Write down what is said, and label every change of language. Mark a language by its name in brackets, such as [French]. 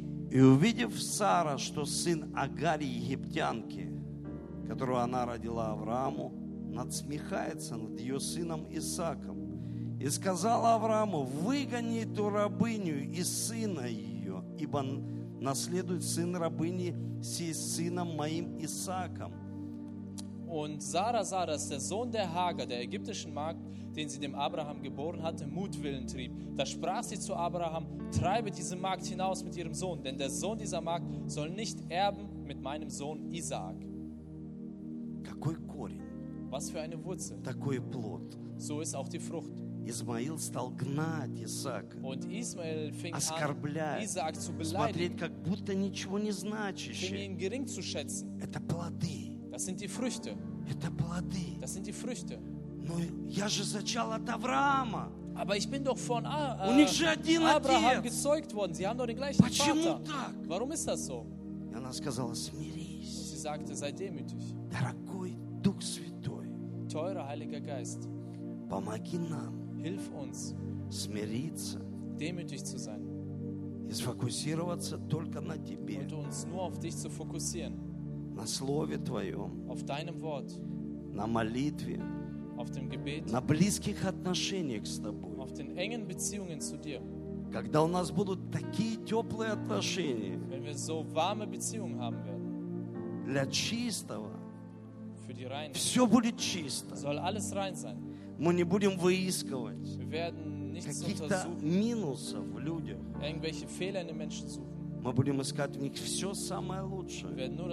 [Russian] И увидев Сара, что сын Агари египтянки, которого она родила Аврааму, надсмехается над ее сыном Исааком, и сказала Аврааму: выгони эту рабыню и сына ее, ибо наследует сын рабыни сей сыном моим Исааком. [German] Und Sara sah, dass der Sohn der Hagar, der ägyptischen Magd, den sie dem Abraham geboren hatte, Mutwillen trieb. Da sprach sie zu Abraham: treibe diese Magd hinaus mit ihrem Sohn, denn der Sohn dieser Magd soll nicht erben mit meinem Sohn Isaak. [Russian] Какой корень? [German] Was für eine Wurzel? [Russian] Такой плод. [German] So ist auch die Frucht. [Russian] Исмаил стал гнать Исаака, оскорблять, смотреть, как будто ничего не значащее. Это плоды. [German] Das sind die Früchte. [Russian] Это плоды. [German] Das sind die Früchte. [Russian] Но я же зачал от Авраама. [German] Aber ich bin doch von [Russian] у них же один [German] Abraham [Russian] отец. [German] Gezeugt worden. Sie haben doch den gleichen [Russian] Почему [German] Vater. [Russian] Так? [German] Warum ist das so? [Russian] И она сказала: смирись. [German] Und sie sagte, sei demütig. [Russian] Дорогой Дух Святой. [German] Teurer Heiliger Geist. [Russian] Помоги нам. [German] Hilf uns, [Russian] смириться, [German] demütig zu sein, [Russian] и сфокусироваться только на тебе, [German] und uns nur auf dich zu fokussieren, [Russian] на слове твоем, [German] auf deinem Wort, [Russian] на молитве, [German] auf dem Gebet, [Russian] на близких отношениях с тобой, [German] auf den engen Beziehungen zu dir. [Russian] Когда у нас будут такие теплые отношения, [German] wenn wir so warme Beziehungen haben werden, [Russian] для чистого, [German] für die reine, [Russian] все будет чисто, [German] soll alles rein sein. [Russian] Мы не будем выискивать каких-то минусов в людях. Мы будем искать в них все самое лучшее.